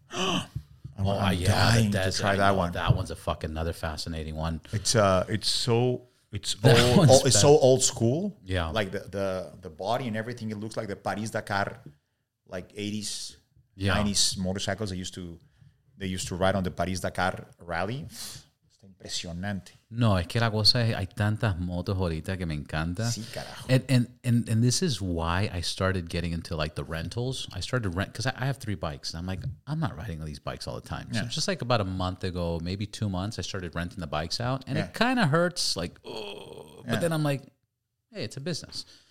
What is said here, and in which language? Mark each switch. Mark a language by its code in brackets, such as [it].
[en] I'm dying to try that one. That one's a fucking another fascinating one. It's so old school. Yeah. Like the body and everything, it looks like the Paris Dakar, like 80s, 90s motorcycles they used to ride on the Paris Dakar rally. [es] Está impresionante. No, es que la cosa es, hay tantas motos ahorita que me encanta. Sí, carajo. [en] And this is why I started getting into like the rentals. I started to rent, because I have three bikes. And I'm like, I'm not riding these bikes all the time. Yeah. So just like about a month ago, maybe 2 months, I started renting the bikes out. And it kind of hurts, like, oh. But then I'm like, hey, it's a business.